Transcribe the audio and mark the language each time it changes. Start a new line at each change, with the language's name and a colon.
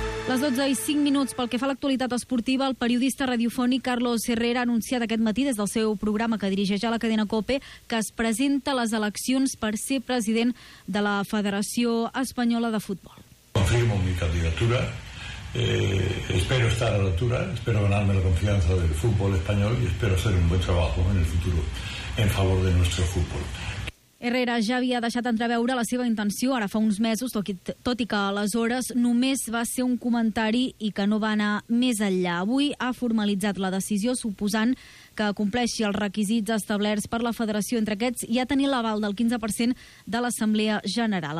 Catalan: Les 12 i 5 minuts. Pel que fa a l'actualitat esportiva, el periodista radiofònic Carlos Herrera ha anunciat aquest matí, des del seu programa que dirigeix a la cadena COPE, que es presenta a les eleccions per ser president de la Federació Espanyola de Futbol.
Spanish: Confirmo mi candidatura. Espero estar a la altura, espero ganarme la confianza del fútbol español y espero hacer un buen trabajo en el futuro en favor de nuestro fútbol.
Catalan: Herrera ja havia deixat entreveure la seva intenció ara fa uns mesos, tot i que aleshores només va ser un comentari i que no va anar més enllà. Avui ha formalitzat la decisió, suposant que compleixi els requisits establerts per la federació. Entre aquests hi ha tenir l'aval del 15% de l'Assemblea General.